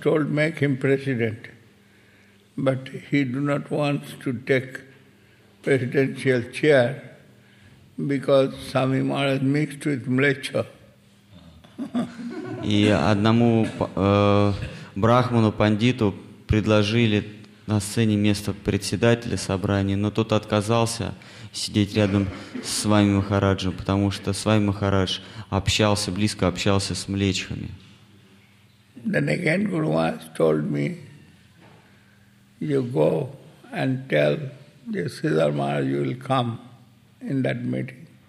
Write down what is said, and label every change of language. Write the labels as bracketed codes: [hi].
[en] Guru Maharaj told make him president, but he do not want to take presidential chair because Swami Maharaj mixed with Mlecha. [ru] И одному брахману, пандиту предложили на сцене место председателя собрания, но тот отказался сидеть рядом с Свами Махараджем, потому что Свами Махарадж общался, близко общался с млечхами. [en] Then again Guru Maharaj told me, you go and tell the Sridhar Maharaj you will come in that meeting.